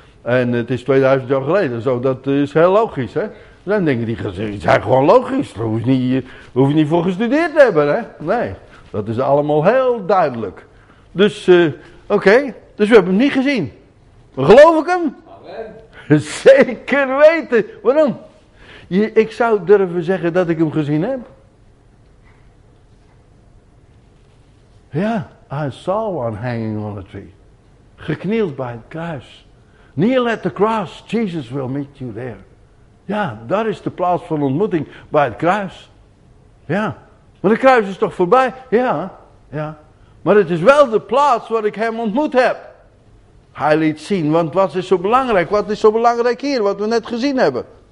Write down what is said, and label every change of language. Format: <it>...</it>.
<nl>En het is 2000 jaar geleden, zo, dat is heel logisch, hè. Er zijn dingen die zijn gewoon logisch, daar hoef je niet voor gestudeerd te hebben, hè. Nee, dat is allemaal heel duidelijk. Dus, dus we hebben hem niet gezien. Geloof ik hem? Amen. Zeker weten. Waarom? Ik zou durven zeggen dat ik hem gezien heb.</nl> <en>Ja, I saw one hanging on a tree.</en> <nl>Geknield bij het kruis.</nl> <en>Kneel at the cross, Jesus will meet you there.</en> <nl>Ja, daar is de plaats van ontmoeting, bij het kruis. Ja, maar het kruis is toch voorbij? Ja, ja. Maar het is wel de plaats waar ik hem ontmoet heb. Hij liet zien, want wat is zo belangrijk? Wat is zo belangrijk hier, wat we net gezien hebben?</nl>